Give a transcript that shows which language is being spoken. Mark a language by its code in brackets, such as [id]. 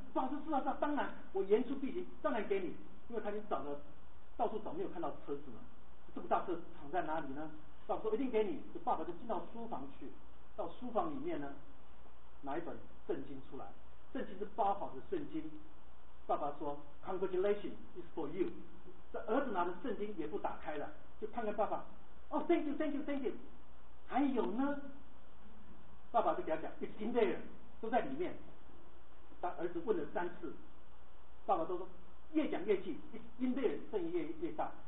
[zh] 爸爸说是啊，那当然，我言出必行，当然给你，因为他已经找了，到处找没有看到车子嘛，这么大车藏在哪里呢？爸爸说一定给你。这爸爸就进到书房去，到书房里面呢，拿一本圣经出来，圣经是包好的圣经。爸爸说 [en] ，congratulation is for you。 [zh] 这儿子拿着圣经也不打开了，就看看爸爸。哦、 [en] oh, ，thank you。 [zh] 还有呢，爸爸就给他讲 ， [en] it's in there， [zh] 都在里面。他儿子问了3次，爸爸都说越讲越气 ， [en] it's in there， [zh] 声音越大。